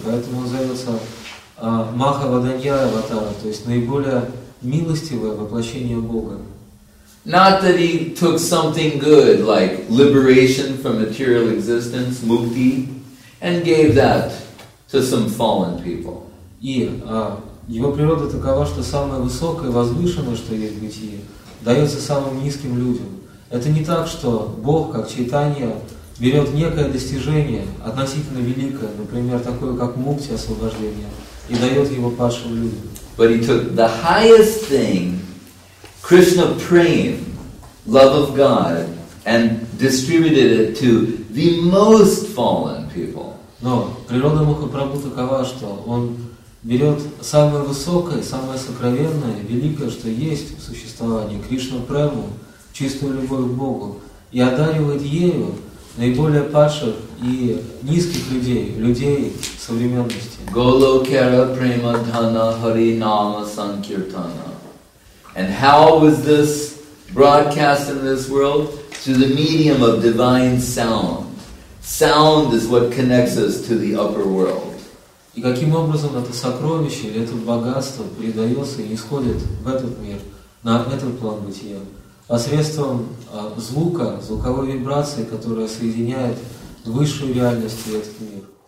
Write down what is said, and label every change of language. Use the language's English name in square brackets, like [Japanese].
[Russian] Поэтому он зовется Махавадания аватара, то есть наиболее милостивое воплощение Бога. [English] Not that he took something good, like liberation from material existence, mukti, and gave that to some fallen people. [Russian] И его природа такова, что самое высокое, возвышенное, что есть в бытии, дается самым низким людям. Это не так, что Бог, как Чайтанья, берет некое достижение, относительно великое, например, такое, как мукти освобождение, и дает его падшим людям. [English] But he took the highest thing, Krishna Prem, love of God, and distributed it to the most fallen people. [Russian] Но природа Махапрабху такова, что он берет самое высокое, самое сокровенное, великое, что есть в существовании, Кришна Прему, чистую любовь к Богу, и одаривает ею наиболее падших и низких людей, людей современности. [Sanskrit] Голокера према дхана хари нама санкиртана. [English] And how was this broadcast in this world? Through the medium of divine sound. Sound is what connects us to the upper world. [Russian] И каким образом это сокровище или это богатство передается и исходит в этот мир, на этот план бытия? Посредством звука, звуковой вибрации, которая соединяет высшую реальность и этот мир.